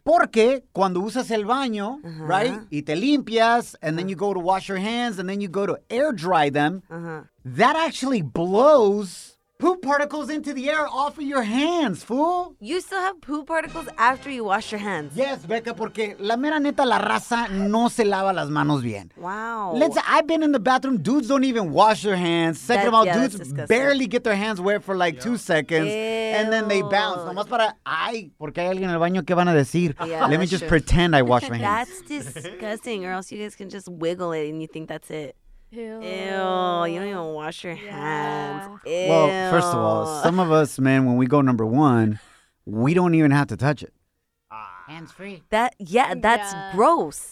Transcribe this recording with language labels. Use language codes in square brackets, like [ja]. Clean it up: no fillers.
[es] Porque cuando usas el baño, uh-huh. [en] right, [es] y te limpias, [en] and then you go to wash your hands, and then you go to air dry them, that actually blows poop particles into the air off of your hands, fool. You still have poop particles after you wash your hands. [es] Yes, Becca, porque la mera neta, la raza no se lava las manos bien. [en] Wow. Let's. I've been in the bathroom. Dudes don't even wash their hands. Second of all, dudes barely get their hands wet for like 2 seconds. Ew. And then they bounce. [es] Nomás para, ay, porque hay alguien en el baño, ¿qué van a decir? [en] Yeah, let me just pretend I wash my hands. That's disgusting, or else you guys can just wiggle it and you think that's it. Ew. Ew, you don't even wash your hands. Ew. Well, first of all, some of us, man, when we go number one, we don't even have to touch it. Hands free. That's gross.